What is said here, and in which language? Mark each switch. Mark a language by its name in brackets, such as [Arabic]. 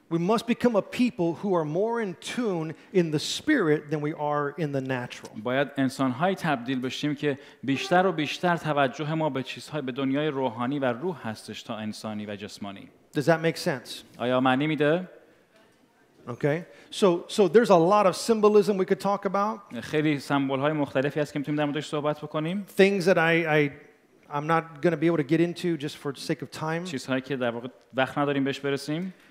[English] We must become a people who are more in tune in the spirit than we are in the natural. [Persian] باید انسان‌های تبدیل بشیم که بیشتر و بیشتر توجه ما به چیزهای به دنیای روحانی و روح هستش تا انسانی و جسمانی. [English] Does that make sense? [Persian] آیا معنی میده؟ [English] Okay. So there's a lot of symbolism we could talk about. [Persian] خیلی سمبل‌های مختلفی هست که می‌تونیم در موردش صحبت بکنیم. [English] Things that I'm not going to be able to get into just for the sake of time. [Persian] چیزهایی که در واقع وقت نداریم بهش برسیم.